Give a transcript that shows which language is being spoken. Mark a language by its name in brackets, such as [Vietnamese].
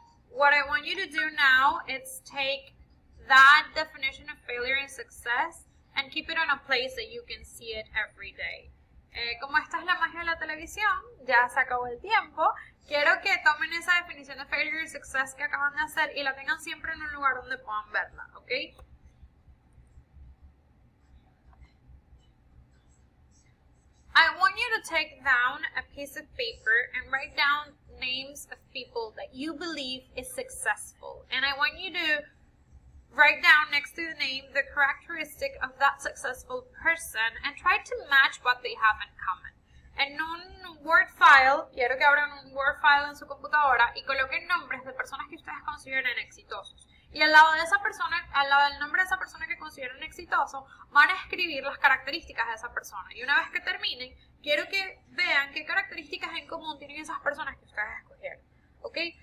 [English] What I want you to do now is take that definition of failure and success and keep it on a place that you can see it every day. [Spanish] Como esta es la magia de la televisión, ya se acabó el tiempo, quiero que tomen esa definición de [English] failure and success [Spanish] que acaban de hacer y la tengan siempre en un lugar donde puedan verla, ¿ok? [English] I want you to take down a piece of paper and write down names of people that you believe is successful. And I want you to write down next to the name the characteristic of that successful person and try to match what they have in common. [Spanish] En un Word file, quiero que abran un Word file en su computadora y coloquen nombres de personas que ustedes consideren exitosos. Y al lado de esa persona, al lado del nombre de esa persona que consideran exitoso, van a escribir las características de esa persona. Y una vez que terminen, quiero que vean qué características en común tienen esas personas que ustedes escogieron. ¿Ok?